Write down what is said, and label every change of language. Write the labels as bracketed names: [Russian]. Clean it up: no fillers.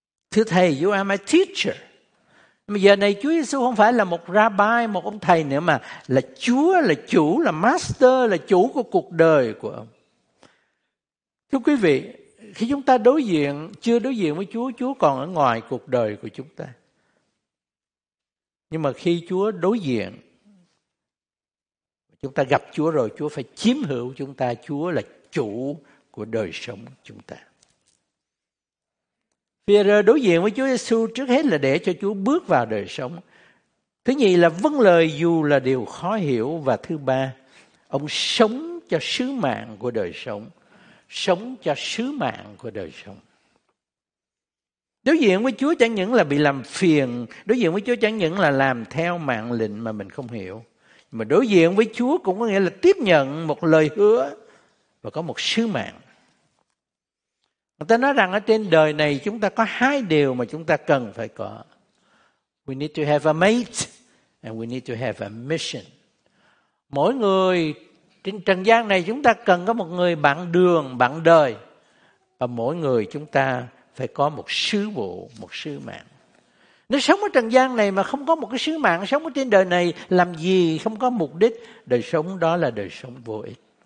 [Vietnamese] Thưa Thầy, [English] you are my teacher. [Vietnamese] Mà giờ này Chúa Giêsu không phải là một rabbi, một ông thầy nữa, mà là Chúa, là chủ, là master, là chủ của cuộc đời của ông. Thưa quý vị, khi chúng ta đối diện, chưa đối diện với Chúa, Chúa còn ở ngoài cuộc đời của chúng ta. Nhưng mà khi Chúa đối diện, chúng ta gặp Chúa rồi, Chúa phải chiếm hữu chúng ta, Chúa là chủ của đời sống chúng ta. Phi-e-rơ đối diện với Chúa Giêsu trước hết là để cho Chúa bước vào đời sống. Thứ nhì là vâng lời dù là điều khó hiểu. Và thứ ba, ông sống cho sứ mạng của đời sống. Sống cho sứ mạng của đời sống. Đối diện với Chúa chẳng những là bị làm phiền, đối diện với Chúa chẳng những là làm theo mạng lệnh mà mình không hiểu. Mà đối diện với Chúa cũng có nghĩa là tiếp nhận một lời hứa và có một sứ mạng. Người ta nói rằng ở trên đời này chúng ta có hai điều mà chúng ta cần phải có. [English] We need to have a mate and we need to have a mission. [Vietnamese] Mỗi người trên trần gian này chúng ta cần có một người bạn đường, bạn đời. Và mỗi người chúng ta phải có một sứ vụ, một sứ mạng. Nếu sống ở trần gian này mà không có một cái sứ mạng, sống ở trên đời này làm gì, không có mục đích, đời sống đó là đời sống vô ích.